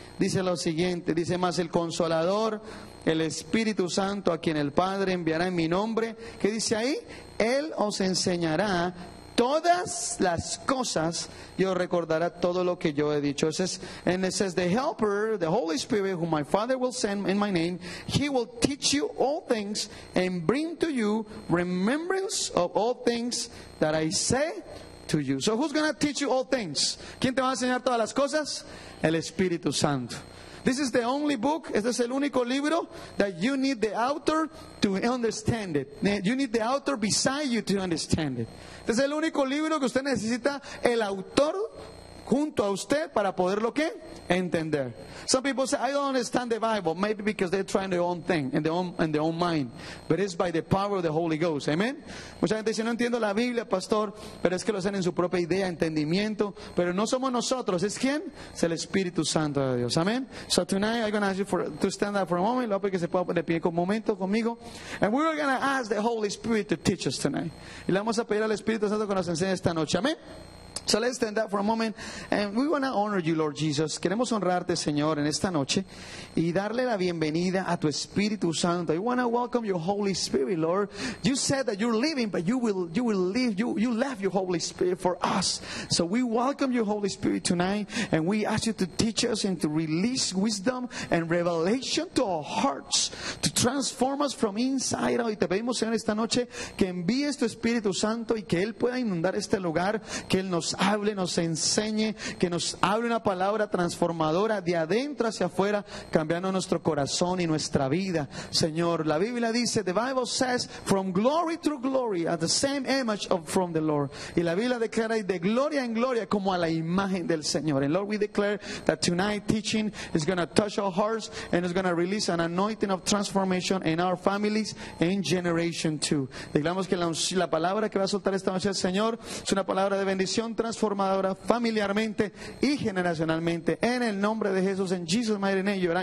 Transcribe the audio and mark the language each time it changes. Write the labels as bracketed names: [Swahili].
[Spanish] Dice lo siguiente: dice, más el Consolador, el Espíritu Santo, a quien el Padre enviará en mi nombre. ¿Qué dice ahí? Él os enseñará todas las cosas, yo recordará todo lo que yo he dicho. [English] And it says, the Helper, the Holy Spirit, whom my Father will send in my name, he will teach you all things and bring to you remembrance of all things that I say to you. So who's going to teach you all things? [Spanish] ¿Quién te va a enseñar todas las cosas? El Espíritu Santo. [English] This is the only book, [Spanish] este es el único libro, [English] that you need the author to understand it. You need the author beside you to understand it. [Spanish] Este es el único libro que usted necesita el autor junto a usted para poderlo, ¿qué? Entender. [English] Some people say, I don't understand the Bible. Maybe because they're trying their own thing, in their own mind. But it's by the power of the Holy Ghost. [Spanish] Amen. Mucha gente dice, no entiendo la Biblia, pastor. Pero es que lo hacen en su propia idea, entendimiento. Pero no somos nosotros. ¿Es quién? Es el Espíritu Santo de Dios. Amen. [English] So tonight, I'm going to ask you to stand up for a moment. [Spanish] Lo hago que se pueda poner de pie con un momento conmigo. [English] And we're going to ask the Holy Spirit to teach us tonight. [Spanish] Y le vamos a pedir al Espíritu Santo que nos enseñe esta noche. [English] Amen. So let's stand up for a moment, and we want to honor you, Lord Jesus. [Spanish] Queremos honrarte, Señor, en esta noche, y darle la bienvenida a tu Espíritu Santo. [English] We want to welcome your Holy Spirit, Lord. You said that you're living, but you will leave. You left your Holy Spirit for us. So we welcome your Holy Spirit tonight, and we ask you to teach us and to release wisdom and revelation to our hearts, to transform us from inside out. [Spanish] Y te pedimos, Señor, esta noche, que envíes tu Espíritu Santo y que Él pueda inundar este lugar, que Él nos hable, nos enseñe, que nos hable una palabra transformadora de adentro hacia afuera, cambiando nuestro corazón y nuestra vida. Señor, la Biblia dice, [English] the Bible says, from glory to glory, at the same image of from the Lord. [Spanish] Y la Biblia declara, de gloria en gloria, como a la imagen del Señor. [English] And Lord, we declare that tonight teaching is going to touch our hearts and is going to release an anointing of transformation in our families and generation too. [Spanish] Declaramos que la palabra que va a soltar esta noche el Señor es una palabra de bendición transformadora familiarmente y generacionalmente. En el nombre de Jesús, en [English] Jesus' mighty name, [Spanish] ¿verdad?